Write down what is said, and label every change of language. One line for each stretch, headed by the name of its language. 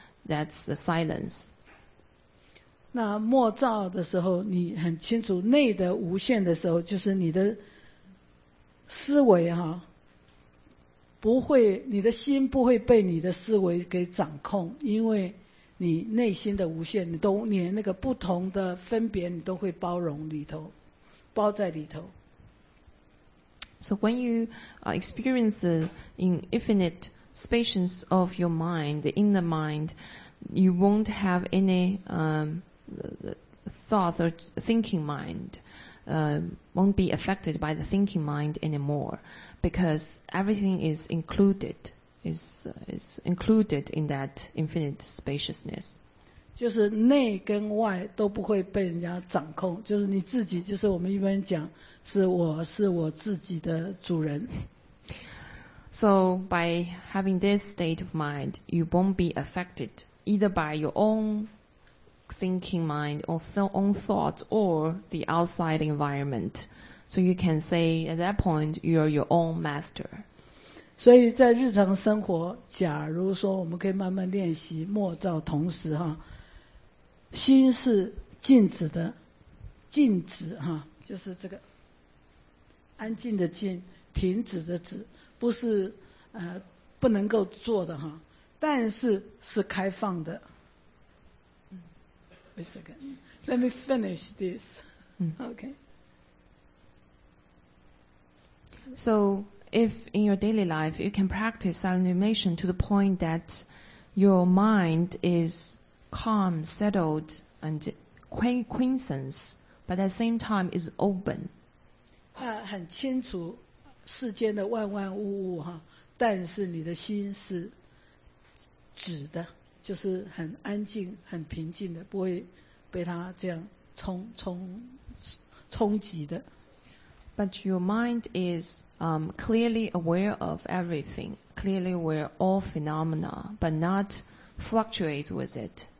English: That's the silence.
Chinese: 那默照的时候，你很清楚内的无限的时候，就是你的思维哈，不会，你的心不会被你的思维给掌控，因为你内心的无限，你都连那个不同的分别，你都会包容里头，包在里头。
English: So when you experience in infinite spaciousness of your mind, the inner mind, you won't have any thoughts or thinking mind, won't be affected by the thinking mind anymore, because everything is included, is included in that infinite spaciousness.
Chinese: 就是内跟外都不会被人家掌控，就是你自己，就是我们一般讲是我自己的主人。
English: So by having this state of mind, you won't be affected either by your own thinking mind or own thoughts or the outside environment. So you can say at that point you are your own master.
Chinese: 所以在日常生活，假如说我们可以慢慢练习默照，同时哈，心是静止的，静止哈，就是这个安静的静，停止的止，不是不能够做的哈，但是是开放的。
English: Wait a second, let me finish this. Okay. So if in your daily life you can practice silent meditation to the point that your mind is calm, settled, and quiescence, but at the same time is open.
Chinese: 很清楚世间的万万物物哈，但是你的心是止的，就是很安静、很平静的，不会被它这样冲击的。
English: But your mind is clearly aware of everything, clearly aware of all phenomena, but not fluctuate with it.